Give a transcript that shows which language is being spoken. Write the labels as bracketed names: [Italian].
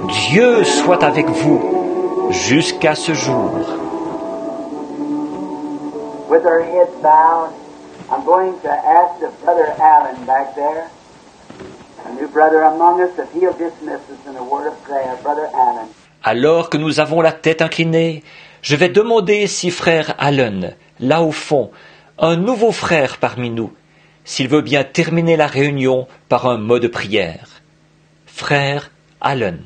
[French] Dieu soit avec vous jusqu'à ce jour. [English] With our heads bowed, I'm going to ask the Brother Allen back there, a new brother among us, if he'll dismiss us in a word of prayer, Brother Allen. [French] Alors que nous avons la tête inclinée, je vais demander si frère Allen, là au fond, un nouveau frère parmi nous, s'il veut bien terminer la réunion par un mot de prière. Frère Allen.